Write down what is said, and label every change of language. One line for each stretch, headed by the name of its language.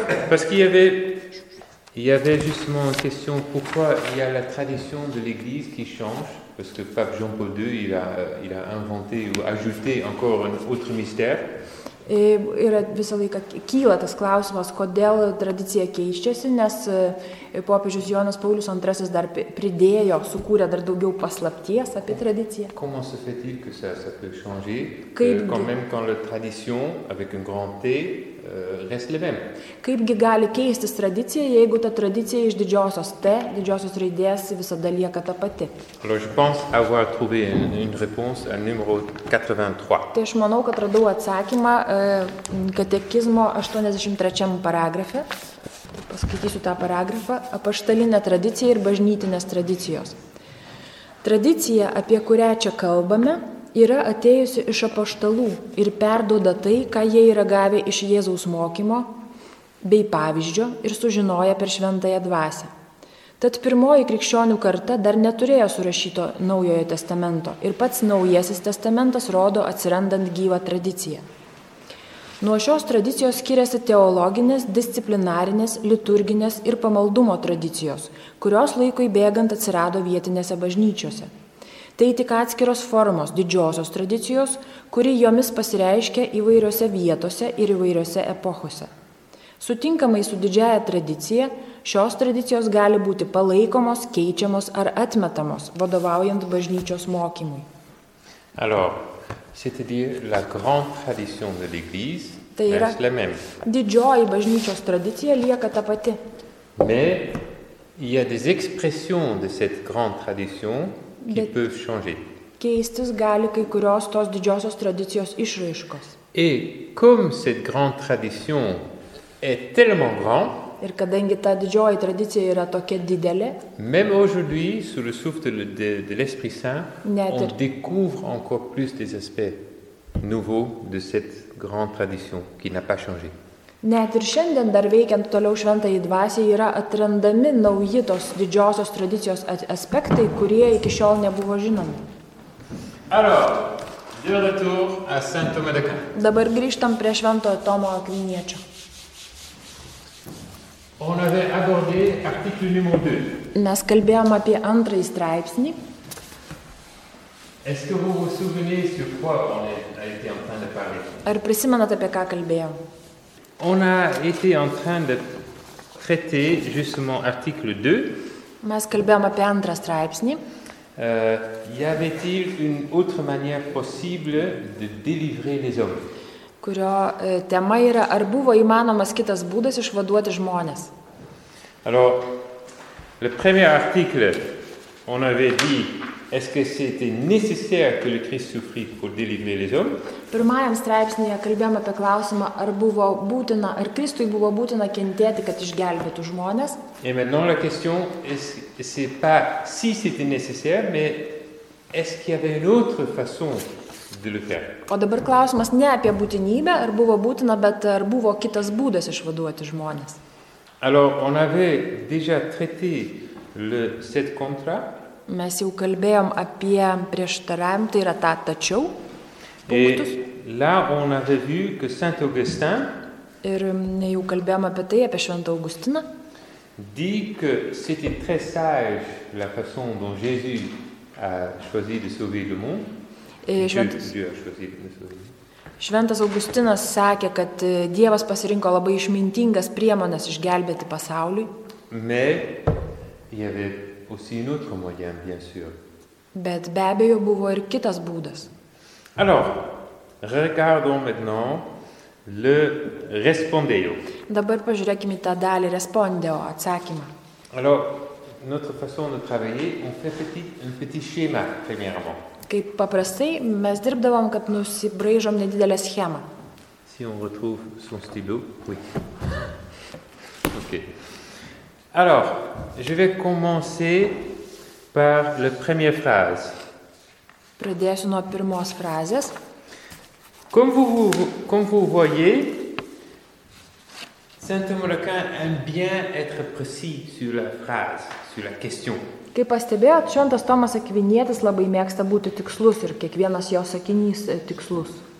French: parce qu'il y avait, justement une question, pourquoi il y a la tradition de l'Église qui change, parce que pape Jean-Paul II, il a inventé ou ajouté encore un autre mystère.
Lithuanian: Ir visą laiką kyla tas klausimas, kodėl tradicija keičiasi, nes popiežius Jonas Paulius II dar pridėjo, sukūrė dar daugiau paslapties apie tradiciją.
French: Comment se fait-il que ça peut changer, quand la tradition avec un grand T reste la même?
Lithuanian: Kaipgi gali keistis tradicija, jeigu ta tradicija iš didžiosios T, didžiosios raidės visada lieka ta pati?
French: Alors, je pense avoir trouvé une réponse à numéro 83.
Lithuanian: Tai aš manau, kad radau atsakymą katekizmo 83 paragrafe. Paskaitysiu tą paragrafą. Apaštalinė tradicija ir bažnytinės tradicijos. Tradicija, apie kurią čia kalbame, yra atėjusi iš apaštalų ir perduoda tai, ką jie yra gavę iš Jėzaus mokymo bei pavyzdžio ir sužinoja per šventąją dvasę. Tad pirmoji krikščionių karta dar neturėjo surašyto naujojo testamento ir pats naujasis testamentas rodo atsirandant gyvą tradiciją. Nuo šios tradicijos skiriasi teologinės, disciplinarinės, liturginės ir pamaldumo tradicijos, kurios laikui bėgant atsirado vietinėse bažnyčiose. Tai tik atskiros formos didžiosios tradicijos, kuri jomis pasireiškia įvairiose vietose ir įvairiose epochose. Sutinkamai su didžiaja tradicija, šios tradicijos gali būti palaikomos, keičiamos ar atmetamos, vadovaujant bažnyčios mokymui.
French: Alors, c'est-à-dire la grande tradition de l'Église
Lithuanian: tai
French: reste la même.
Lithuanian: Didžioji bažnyčios tradicija lieka ta pati.
French: Mais il y a des expressions de cette grande tradition qui peuvent changer.
Lithuanian: Keistis gali kai kurios tos didžiosios tradicijos išraiškos.
French: Et comme cette grande tradition est tellement grande,
Lithuanian: ir kadangi ta didžioji tradicija yra tokia didelė,
French: même aujourd'hui, sous le souffle de l'Esprit Saint, on découvre encore plus des aspects nouveaux de cette grande tradition qui n'a pas changé.
Lithuanian: Net ir šiandien dar veikiant toliau šventąjį dvasį yra atrandami nauji tos didžiosios tradicijos aspektai, kurie iki šiol nebuvo žinomi.
French: Alors, de retour à Saint Thomas d'Aquin.
Lithuanian: Dabar grįžtam prie šventojo Tomo Akviniečio.
French: On avait abordé article numéro 2.
Lithuanian: Mes kalbėjom apie antrąjį straipsnį.
French: Est-ce que vous vous souvenez sur quoi on a été en train de parler?
Lithuanian: Ar prisimenat apie ką kalbėjom?
French: On a été en train de traiter justement article 2.
Lithuanian: Mes kalbėjom apie antrą straipsnį.
French: Y avait-il une autre manière possible de délivrer les hommes?
Lithuanian: Kurio tema yra, ar buvo įmanomas kitas būdas išvaduoti žmonės.
French: Alors, le premier article, on avait dit, est-ce que c'était nécessaire que le Christ souffrit pour délivrer les hommes?
Lithuanian: Pirmajam straipsnėje kalbėjom apie klausimą, ar buvo būtina, ar Kristui buvo būtina kentėti, kad išgelbėtų žmonės.
French: Et maintenant la question, c'est pas si c'était nécessaire, mais est-ce qu'il y avait une autre façon?
Lithuanian: O dabar klausimas ne apie būtinybę, ar buvo būtina, bet ar buvo kitas būdas išvaduoti žmonės.
French: Alors, on avait déjà traité le sept contrat.
Lithuanian: Mes jau kalbėjom apie prieštaravimą, tai yra tą tačiau punktus.
French: Et là, on avait vu que Saint Augustin
Lithuanian: ir jau kalbėjom apie tai, apie šventą Augustiną.
French: Dit que c'était très sage la façon dont Jésus a choisi de sauver le monde.
Lithuanian: Šventas Augustinas sakė, kad Dievas pasirinko labai išmintingas priemonės išgelbėti pasauliui. Bet be abejo buvo ir kitas būdas.
French: Alors, regardons maintenant le respondeo.
Lithuanian: Dabar pažiūrėkime tą dalį respondeo atsakymą.
French: Alors, notre façon de travailler, on fait un petit schéma premièrement.
Lithuanian: Kaip paprastai mes dirbdavom, kad nusibraižom nedidelę schemą.
French: Si on retrouve son stylo, oui. OK. Alors, je vais commencer par la première phrase.
Lithuanian: Pradėsiu nuo pirmos frazės.
French: Comme vous voyez, Saint-Maurice aime bien être précis sur la phrase, sur la question.
Lithuanian: Kaip pastebėjot, šventas Tomas Akvinietis labai mėgsta būti tikslus ir kiekvienas jo sakinys tikslus.